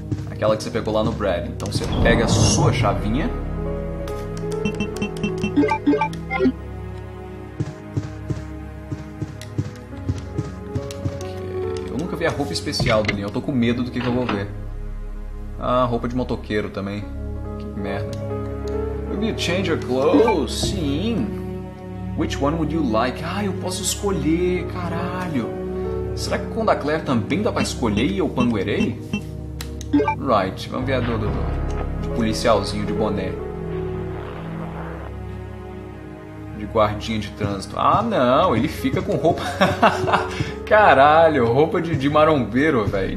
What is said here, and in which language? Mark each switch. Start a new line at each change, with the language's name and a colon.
Portuguese: Aquela que você pegou lá no Brad. Então você pega a sua chavinha. Eu nunca vi a roupa especial dele. Eu tô com medo do que eu vou ver. Ah, roupa de motoqueiro também. Que merda.
English: Will you change your clothes?
Portuguese: Sim.
English: Which one would you like?
Portuguese: Ah, eu posso escolher. Caralho. Será que com a Claire também dá pra escolher e eu panguerei? Right, vamos ver a do de policialzinho de boné. De guardinha de trânsito. Ah, não, ele fica com roupa. Caralho, roupa de marombeiro, velho.